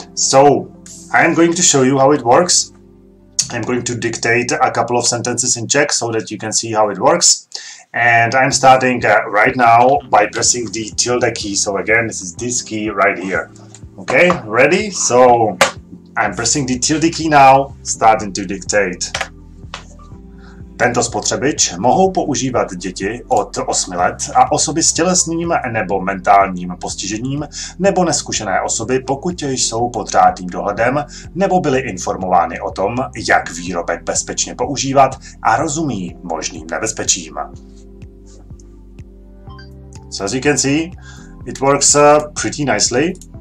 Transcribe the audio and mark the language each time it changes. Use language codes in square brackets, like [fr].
[en] So I'm going to show you how it works. I'm going to dictate a couple of sentences in Czech so that you can see how it works. And I'm starting right now by pressing the tilde key. So again, this is this key right here. Okay, ready? So I'm pressing the tilde key now, starting to dictate. [cs] Tento spotřebič mohou používat děti od 8 let a osoby s tělesným nebo mentálním postižením nebo nezkušené osoby, pokud jsou pod řádným dohledem nebo byly informovány o tom, jak výrobek bezpečně používat a rozumí možným nebezpečím. [en] So as you can see, it works pretty nicely.